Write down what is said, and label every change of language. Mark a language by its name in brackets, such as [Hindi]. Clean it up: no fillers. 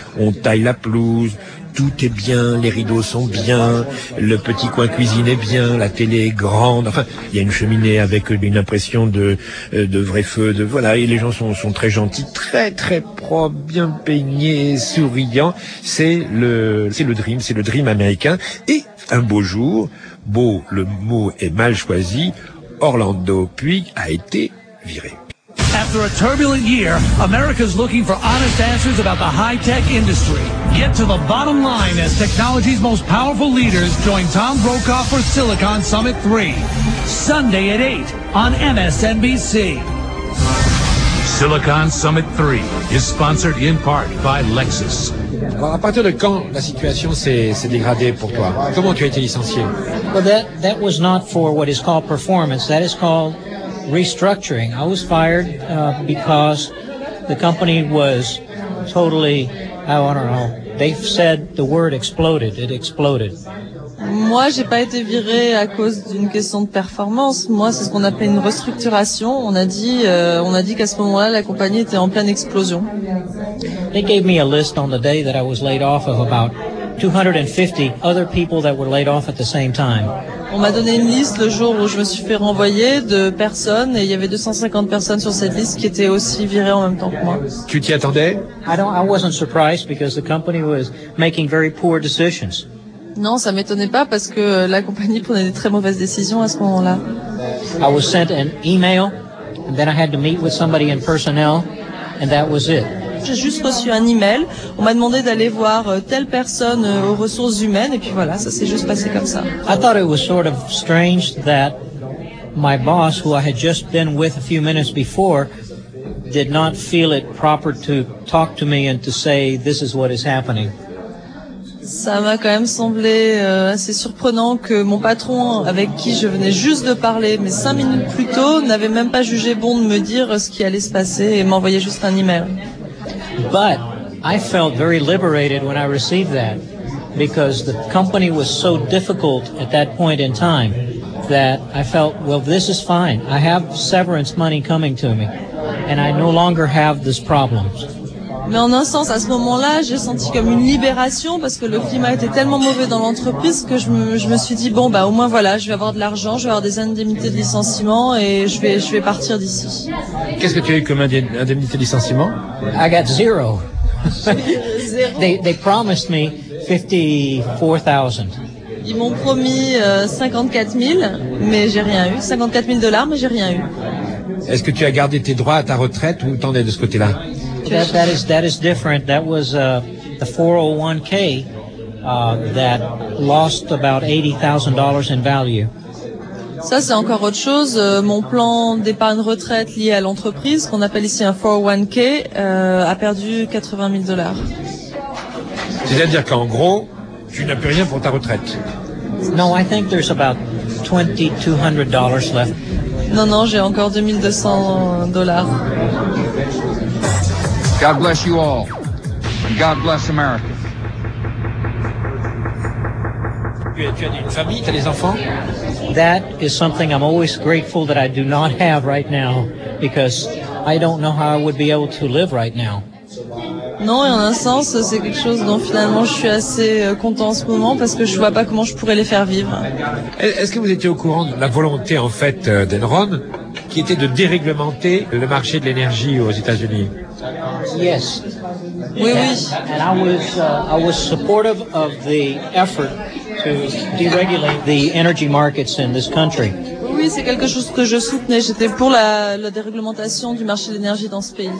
[French] on taille la pelouse, tout est bien, les rideaux sont bien, le petit coin cuisine est bien, la télé est grande, enfin, il y a une cheminée avec une impression de vrai feu, de voilà, et les gens sont très gentils, très très propres, bien peignés, souriants, c'est le dream américain, et un beau jour, beau, le mot est mal choisi. Orlando Puig a été viré. [English] After a turbulent year, America's looking for honest answers about the high-tech industry. Get to the bottom line as technology's most powerful leaders join Tom Brokaw for Silicon Summit 3. Sunday at 8 on MSNBC. Silicon Summit 3 is sponsored in part by Lexus. [French] À partir de quand la situation s'est dégradée pour toi? Comment tu as été licencié? [English] Well, that was not for what is called performance. That is called restructuring. I was fired because the company was totally, I don't know, they've said the word exploded. It exploded. [French] Moi, j'ai pas été viré à cause d'une question de performance. Moi, c'est ce qu'on appelle une restructuration. On a dit qu'à ce moment-là, la compagnie était en pleine explosion. [English] They gave me a list on the day that I was laid off of about 250 other people that were laid off at the same time. [French] On m'a donné une liste le jour où je me suis fait renvoyer de personnes et il y avait 250 personnes sur cette liste qui étaient aussi virées en même temps que moi. Tu t'y attendais? [English] I wasn't surprised because the company was making very poor decisions. [French] Non, ça m'étonnait pas parce que la compagnie prenait des très mauvaises décisions à ce moment-là. [English] I was sent an email and then I had to meet with somebody in personnel and that was it. [French] J'ai juste reçu un email. On m'a demandé d'aller voir telle personne aux ressources humaines et puis voilà, ça s'est juste passé comme ça. [English] I thought it was sort of strange that my boss, who I had just been with a few minutes before, did not feel it proper to talk to me and to say this is what is happening. [French] Ça m'a quand même semblé assez surprenant que mon patron, avec qui je venais juste de parler, mais 5 minutes plus tôt, n'avait même pas jugé bon de me dire ce qui allait se passer et m'envoyait juste un email. [English] But I felt very liberated when I received that because the company was so difficult at that point in time that I felt, well, this is fine. I have severance money coming to me and I no longer have this problem. [French] Mais en un sens, à ce moment-là, j'ai senti comme une libération parce que le climat était tellement mauvais dans l'entreprise que je me suis dit, bon, bah, au moins, voilà, je vais avoir de l'argent, je vais avoir des indemnités de licenciement et je vais partir d'ici. Qu'est-ce que tu as eu comme indemnité de licenciement? [English] I got zero. they promised me 54,000. [French] Ils m'ont promis 54 000, mais j'ai rien eu. $54,000, mais j'ai rien eu. Est-ce que tu as gardé tes droits à ta retraite ou t'en es de ce côté-là? [English] That is different. That was the 401k that lost about $80,000 in value. [French] Ça, c'est encore autre chose. Mon plan d'épargne retraite lié à l'entreprise, qu'on appelle ici un 401k, a perdu $80,000. C'est-à-dire qu'en gros, tu n'as plus rien pour ta retraite. [English] No, I think there's about $2,200 left. [French] Non, j'ai encore $2,200. [English] God bless you all. God bless America. [French] Tu as une famille, tu as des enfants? [English] That is something I'm always grateful that I do not have right now, because I don't know how I would be able to live right now. [French] Non, en un sens, c'est quelque chose dont finalement je suis assez content en ce moment, parce que je vois pas comment je pourrais les faire vivre. Est-ce que vous étiez au courant de la volonté en fait d'Enron, qui était de déréglementer le marché de l'énergie aux États-Unis? [English] Yes. [French] Oui, oui. [English] And I was supportive of the effort to deregulate the energy markets in this country. [French] Oui, c'est quelque chose que je soutenais. J'étais pour la déréglementation du marché de l'énergie dans ce pays.